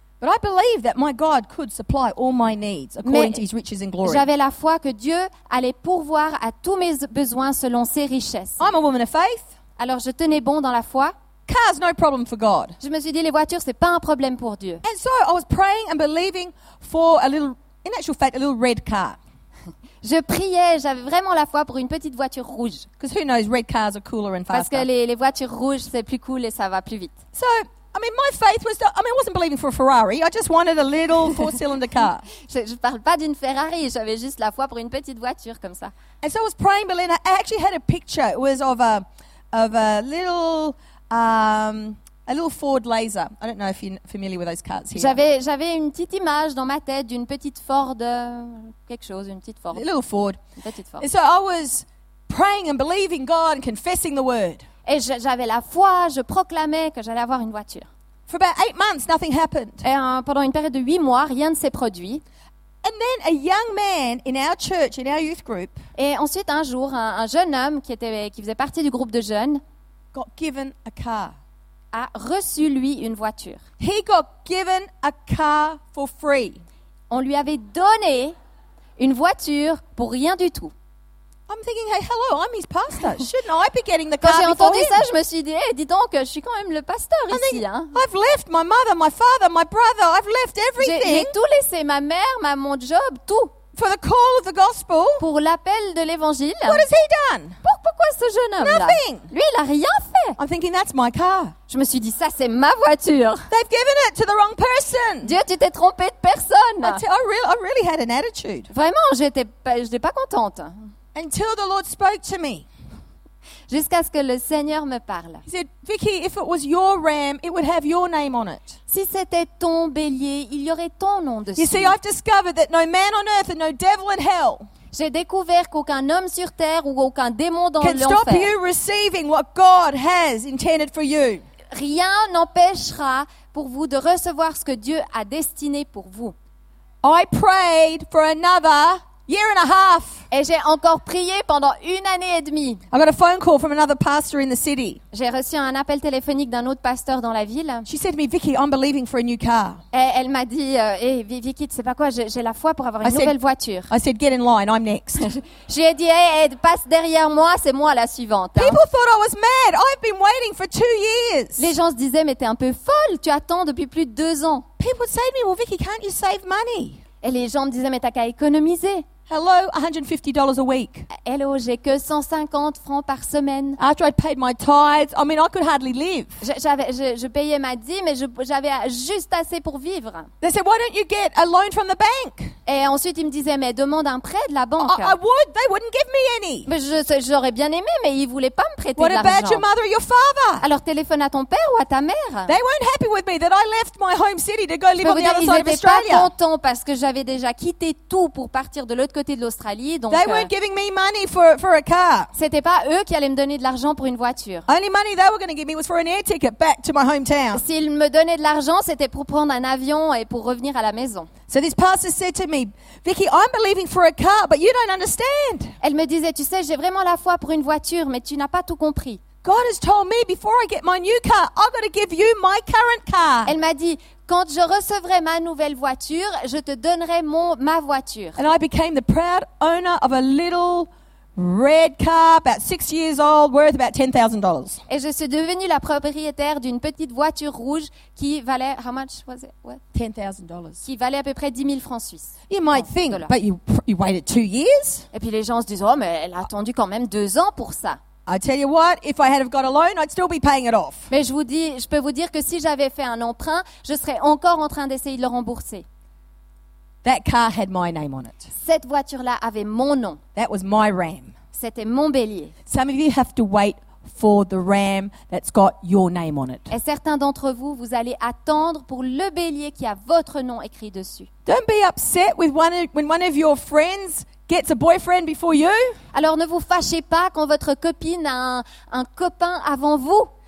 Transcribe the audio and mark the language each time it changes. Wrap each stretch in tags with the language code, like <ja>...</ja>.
<en>But I believe that my God could supply all my needs according to his riches and glory.</en> <fr>J'avais la foi que Dieu allait pourvoir à tous mes besoins selon ses richesses.</fr> <en>I'm a woman of faith.</en> <fr>Alors je tenais bon dans la foi.</fr> <en>Cars, no problem for God.</en> <fr>Je me suis dit les voitures c'est pas un problème pour Dieu.</fr> <en>And so I was praying and believing for in actual fact a little red car.</en> <fr>Je priais, j'avais vraiment la foi pour une petite voiture rouge.</fr> <en>Because who knows, red cars are cooler and faster.</en> <fr>Parce que les voitures rouges c'est plus cool et ça va plus vite.</fr> <en>So I mean, my faith was. I wasn't believing for a Ferrari. I just wanted a little 4-cylinder car.</en> <fr>Je parle pas d'une Ferrari. J'avais juste la foi pour une petite voiture comme ça.</fr> <en>And so I was praying, but then I actually had a picture. It was of a little Ford Laser. I don't know if you're familiar with those cars here.</en> <fr>J'avais une petite image dans ma tête d'une petite Ford quelque chose, une petite Ford.</fr> <en>A little Ford.</en> <fr>Une petite Ford.</fr> <en>And so I was praying and believing God and confessing the word.</en> <fr>Et j'avais la foi, je proclamais que j'allais avoir une voiture.</fr> <en>For about 8 months, nothing happened.</en> <fr>Et pendant une période de 8 mois, rien ne s'est produit.</fr> <en>And then a young man in our church, in our youth group.</en> <fr>Et ensuite un jour, un jeune homme qui faisait partie du groupe de jeunes</fr> <en>got given a car.</en> <fr>A reçu lui une voiture.</fr> <en>He got given a car for free.</en> <fr>On lui avait donné une voiture pour rien du tout.</fr> <en>I'm thinking, hey, hello, I'm his pastor. Shouldn't I be getting the car before him?</en> <fr>Quand j'ai entendu ça, je me suis dit, dis donc, je suis quand même le pasteur ici. Hein.</fr> <en>I've left my mother, my father, my brother. I've left everything.</en> <fr>J'ai tout laissé, ma mère, mon job, tout.</fr> <en>For the call of the gospel.</en> <fr>Pour l'appel de l'évangile.</fr> <en>What has he done?</en> <fr>Pourquoi ce jeune homme-là?</fr> <en>Nothing.</en> <fr>Lui, il a rien fait.</fr> <en>I'm thinking, that's my car.</en> <fr>Je me suis dit, ça, c'est ma voiture.</fr> <en>They've given it to the wrong person.</en> <fr>Dieu, tu t'es trompé de personne.</fr> <en>I really had an attitude.</en> <fr>Vraiment, j'étais pas contente.</fr> <en>Until the Lord spoke to me.</en> <fr>Jusqu'à ce que le Seigneur me parle.</fr> <en>He said, Vicky, if it was your ram, it would have your name on it.</en> <fr>Si c'était ton bélier, il y aurait ton nom dessus.</fr> <en>You see, I've discovered that no man on earth and no devil in hell.</en> <fr>J'ai découvert qu'aucun homme sur terre ou aucun démon dans l'enfer</fr> <en>can stop you receiving what God has intended for you.</en> <fr>Rien n'empêchera pour vous de recevoir ce que Dieu a destiné pour vous.</fr> <en>I prayed for another year and a half.</en> <fr>Et j'ai encore prié pendant une année et demie.</fr> <en>I got a phone call from another pastor in the city.</en> <fr>J'ai reçu un appel téléphonique d'un autre pasteur dans la ville.</fr> <en>She said to me, Vicky, I'm believing for a new car.</en> <fr>Et elle m'a dit, hey, Vicky, tu sais pas quoi, j'ai la foi pour avoir une nouvelle voiture.</fr> <en>I said, get in line, I'm next.</en> <fr>J'ai dit, hey, passe derrière moi, c'est moi la suivante. Hein.</fr> <en>People thought I was mad. I've been waiting for 2 years.</en> <fr>Les gens se disaient, mais t'es un peu folle, tu attends depuis plus de 2 ans.</fr> <en>People say to me, well, Vicky, can't you save money?</en> <fr>Et les gens me disaient, mais t'as qu'à économiser.</fr> <en>Hello, $150 a week.</en> <fr>Hello, j'ai que 150 francs par semaine.</fr> <en>After I paid my tithes, I mean, I could hardly live.</en> <fr>Je payais ma dîme, mais j'avais juste assez pour vivre.</fr> <en>They said, why don't you get a loan from the bank?</en> <fr>Et ensuite, ils me disaient, mais demande un prêt de la banque.</fr> <en>I would, they wouldn't give me any.</en> <fr>Mais j'aurais bien aimé, mais ils voulaient pas me prêter</fr> <en>what</en> <fr>de l'argent.</fr> <en>What about your mother or your father?</en> <fr>Alors téléphone à ton père ou à ta mère.</fr> <en>They weren't happy with me that I left my home city to go live on the other side of Australia.</en> <fr>Ils étaient pas contents parce que j'avais déjà quitté tout pour partir de l'autre côté. De l'Australie, donc,</fr> <en>they weren't giving me money for a car.</en> <fr>C'était pas eux qui allaient me donner de l'argent pour une voiture.</fr> <en>Only money they were going to give me was for an air ticket back to my hometown.</en> <fr>S'ils me donnaient de l'argent, c'était pour prendre un avion et pour revenir à la maison.</fr> <en>So this pastor said to me, Vicky, I'm believing for a car, but you don't understand.</en> <fr>Elle me disait, tu sais, j'ai vraiment la foi pour une voiture, mais tu n'as pas tout compris.</fr> <en>God has told me before I get my new car, I'm going to give you my current car.</en> <fr>Elle m'a dit. Quand je recevrai ma nouvelle voiture, je te donnerai ma voiture.</fr> <en>And I became the proud owner of a little red car, about 6 years old, worth about $10,000.</en> <fr>Et je suis devenue la propriétaire d'une petite voiture rouge qui valait</fr> <en>how much was it? What? $10,000.</en> <fr>Qui valait à peu près 10 000 francs suisses.</fr> <en>You might think, dollars. But you waited 2 years.</en> <fr>Et puis les gens se disent, oh mais elle a attendu quand même 2 ans pour ça.</fr> <en>I tell you what, if I had have got a loan, I'd still be paying it off.</en> <fr>Mais je peux vous dire que si j'avais fait un emprunt, je serais encore en train d'essayer de le rembourser.</fr> <en>That car had my name on it.</en> <fr>Cette voiture-là avait mon nom.</fr> <en>That was my ram.</en> <fr>C'était mon bélier.</fr> <en>Some of you have to wait for the ram that's got your name on it.</en> <fr>Et certains d'entre vous, vous allez attendre pour le bélier qui a votre nom écrit dessus.</fr> <en>Don't be upset with when one of your friends gets a boyfriend before you.</en> <fr>Alors ne vous fâchez pas quand votre copine a un copain avant vous.</fr>